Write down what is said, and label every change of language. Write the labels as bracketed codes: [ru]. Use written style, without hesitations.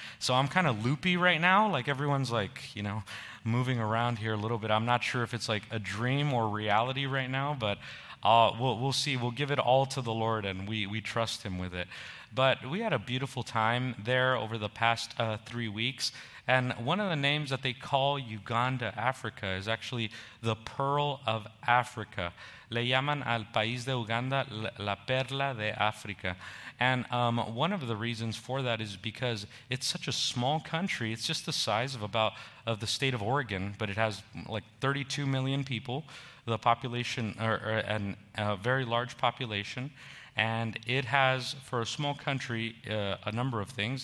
[en] So I'm kind of loopy right now. Like everyone's like, you know, moving around here a little bit. I'm not sure if it's like a dream or reality right now, but we'll see. We'll give it all to the Lord and we trust him with it. But we had a beautiful time there over the past 3 weeks. And one of the names that they call Uganda, Africa, is actually the Pearl of Africa. [es] Le llaman al país de Uganda la perla de África. [en] And one of the reasons for that is because it's such a small country. It's just the size of about the state of Oregon, but it has like 32 million people, the population, a very large population. And it has, for a small country, a number of things.